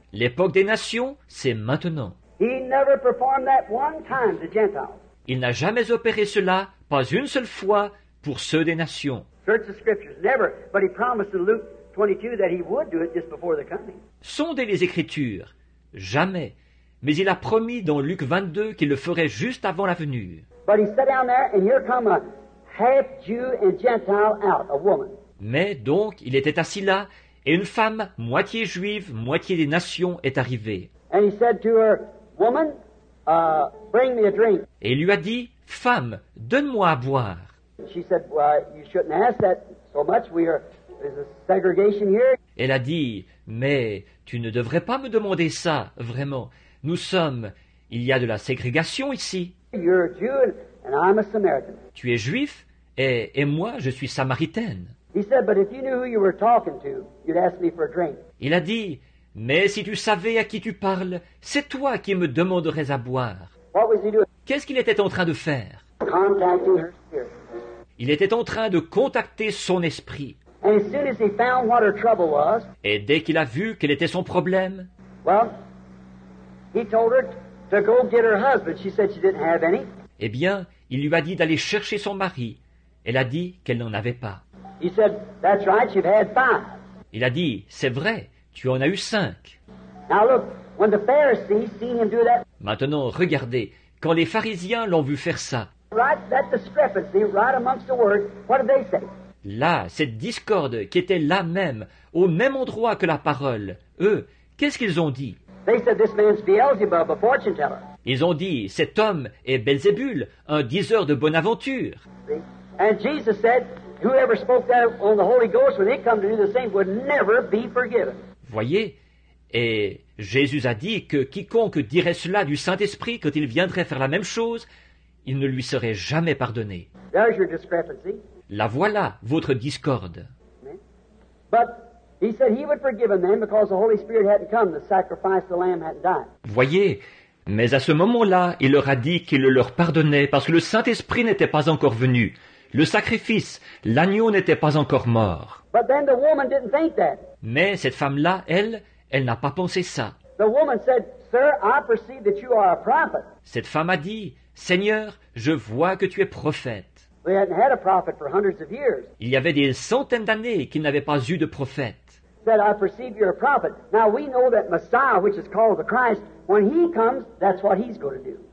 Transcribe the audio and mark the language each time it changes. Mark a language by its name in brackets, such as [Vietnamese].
[French] L'époque des nations, c'est maintenant. [English] He never performed that one time, the Gentiles. [French] Il n'a jamais opéré cela, pas une seule fois, pour ceux des nations. [English] Search the scriptures, never, but he promised in Luke 22 that he would do it just before the coming. [French] Sondez les Écritures, jamais, mais il a promis dans Luc 22 qu'il le ferait juste avant la venue. [English] But he sat down there, and here come a half Jew and Gentile out, a woman. [French] Mais donc, il était assis là, et une femme, moitié juive, moitié des nations, est arrivée. [English] And he said to her, woman, bring me a drink. [French] Et il lui a dit, femme, donne-moi à boire. [English] She said, well, you shouldn't ask that so much. We are, there's a segregation here. [French] Elle a dit, mais tu ne devrais pas me demander ça, vraiment. Nous sommes, il y a de la ségrégation ici. [English] You're a Jew and I'm a Samaritan. [French] Tu es juif et moi, je suis samaritaine. [English] He said, but if you knew who you were talking to, you'd ask me for a drink. [French] Il a dit, mais si tu savais à qui tu parles, c'est toi qui me demanderais à boire. [English] What was he doing? [French] Qu'est-ce qu'il était en train de faire? [English] Contacting her spirit. [French] Il était en train de contacter son esprit. [English] And as soon as he found what her trouble was, [French] et dès qu'il a vu quel était son problème, [English] well, he told her to go get her husband. She said she didn't have any. [French] Eh bien, il lui a dit d'aller chercher son mari. Elle a dit qu'elle n'en avait pas. [English] He said, that's right, you've had five. [French] Il a dit, c'est vrai, tu en as eu cinq. [English] Now look, when the Pharisees see him do that, [French] maintenant, regardez, quand les pharisiens l'ont vu faire ça, [English] right, that discrepancy, right amongst the word, what did they say? [French] Là, cette discorde qui était là même, au même endroit que la parole, eux, qu'est-ce qu'ils ont dit? [English] They said, this man's Beelzebub, a fortune teller. [French] Ils ont dit, cet homme est Belzébul, un diseur de bonne aventure. [English] And Jesus said, whoever spoke that on the Holy Ghost when they come to do the same would never be forgiven. [French] Voyez, et Jésus a dit que quiconque dirait cela du Saint-Esprit quand il viendrait faire la même chose, il ne lui serait jamais pardonné. [English] There's your discrepancy. [French] La voilà, votre discorde. [English] But he said he would forgive them because the Holy Spirit hadn't come, the sacrifice of the Lamb hadn't died. [French] Voyez, mais à ce moment-là, il leur a dit qu'il leur pardonnait parce que le Saint-Esprit n'était pas encore venu. Le sacrifice, l'agneau n'était pas encore mort. [English] But then the woman didn't think that. [French] Mais cette femme-là, elle n'a pas pensé ça. [English] The woman said, sir, I perceive that you are a prophet. [French] Cette femme a dit, Seigneur, je vois que tu es prophète. [English] We hadn't had a prophet for hundreds of years. [French] Il y avait des centaines d'années qu'il n'avait pas eu de prophète. [English] Said, I perceive you're a prophet. Now we know that Messiah, which is called the Christ, when he comes, that's what he's going to do.